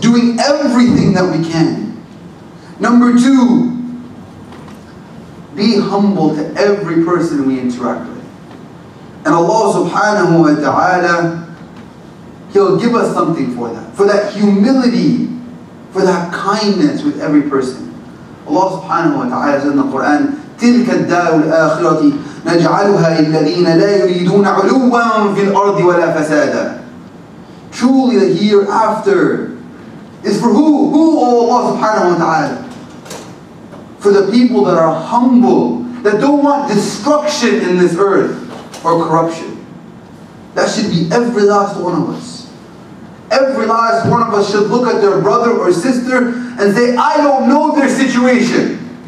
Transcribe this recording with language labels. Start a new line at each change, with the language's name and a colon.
English: Doing everything that we can. Number two, be humble to every person we interact with. And Allah subhanahu wa ta'ala, He'll give us something for that. For that humility, for that kindness with every person. Allah subhanahu wa ta'ala says in the Quran,
Arabic: تِلْكَ الدَّارُ الْآخِرَةِ نَجْعَلُهَا لِلَّذِينَ لَا يُرِيدُونَ عُلُوًّا فِي الْأَرْضِ وَلَا فَسَادًا.
English: Truly the hereafter is for who? Who, oh Allah subhanahu wa ta'ala? For the people that are humble, that don't want destruction in this earth or corruption. That should be every last one of us. Every last one of us should look at their brother or sister and say, I don't know their situation.